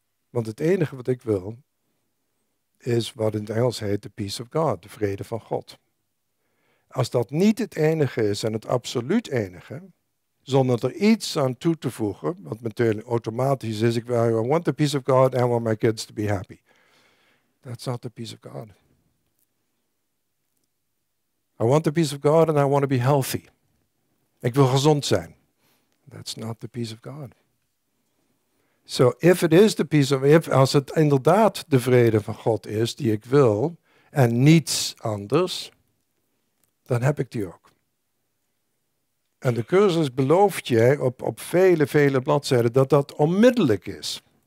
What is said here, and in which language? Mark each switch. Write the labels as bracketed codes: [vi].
[nl] Want het enige wat ik wil, is wat in het Engels heet [en] the peace of God, [nl] de vrede van God. Als dat niet het enige is en het absoluut enige, zonder er iets aan toe te voegen, want meteen automatisch is, ik wil, [en] I want the peace of God and I want my kids to be happy. That's not the peace of God. I want the peace of God and I want to be healthy. [nl] Ik wil gezond zijn. [en] That's not the peace of God. So if it is the peace of God, [nl] als het inderdaad de vrede van God is die ik wil, en niets anders, dan heb ik die ook. En de cursus belooft je op vele, vele bladzijden dat dat onmiddellijk is.